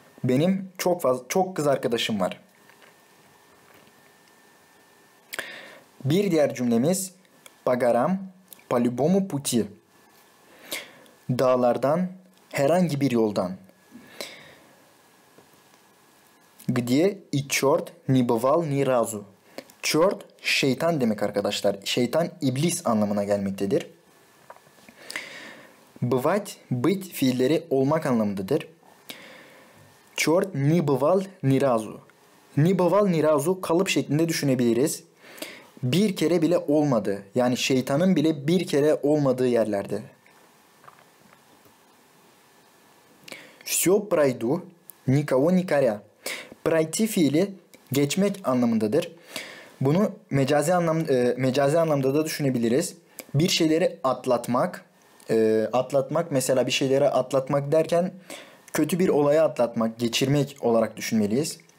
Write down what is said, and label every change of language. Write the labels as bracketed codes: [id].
[tr] Benim çok fazla çok kız arkadaşım var. Bir diğer cümlemiz [ru] pagaram palibomu puti. [tr] Dağlardan herhangi bir yoldan. [ru] Где и чёрт не бывал ни разу. [tr] Чёрт şeytan demek arkadaşlar. Şeytan iblis anlamına gelmektedir. Бывать быть fiilleri olmak anlamındadır. [ru] Чёрт не бывал ни разу. Не бывал ни разу [tr] kalıp şeklinde düşünebiliriz. Bir kere bile olmadı. Yani şeytanın bile bir kere olmadığı yerlerde. [ru] Всё пройду, никого не коря. [tr] Пройти fiili geçmek anlamındadır. Bunu mecazi anlamda da düşünebiliriz. Bir şeyleri atlatmak, atlatmak mesela bir şeyleri atlatmak derken kötü bir olayı atlatmak, geçirmek olarak düşünmeliyiz.